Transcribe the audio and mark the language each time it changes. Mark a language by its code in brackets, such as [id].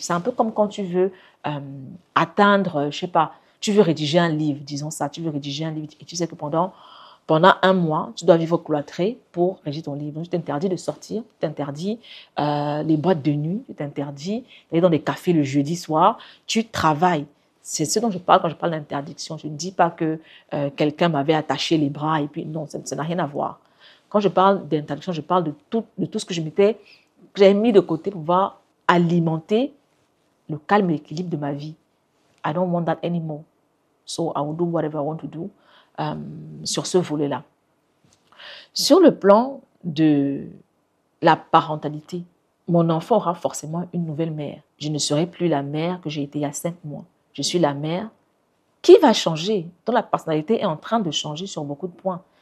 [fr] C'est un peu comme quand tu veux atteindre, je ne sais pas, tu veux rédiger un livre, disons ça, tu veux rédiger un livre et tu sais que pendant un mois, tu dois vivre cloîtré pour rédiger ton livre. Donc, tu t'interdis de sortir, tu t'interdis les boîtes de nuit, tu t'interdis d'aller dans des cafés le jeudi soir, tu travailles. C'est ce dont je parle quand je parle d'interdiction. Je ne dis pas que quelqu'un m'avait attaché les bras et puis non, ça n'a rien à voir. Quand je parle d'interdiction, je parle de tout ce que j'avais mis de côté pour pouvoir alimenter le calme et l'équilibre de ma vie. [en] I don't want that anymore. So I will do whatever I want to do. [fr] Sur ce volet-là. Sur le plan de la parentalité, mon enfant aura forcément une nouvelle mère. Je ne serai plus la mère que j'ai été il y a 5 mois. Je suis la mère qui va changer, dont la personnalité est en train de changer sur beaucoup de points.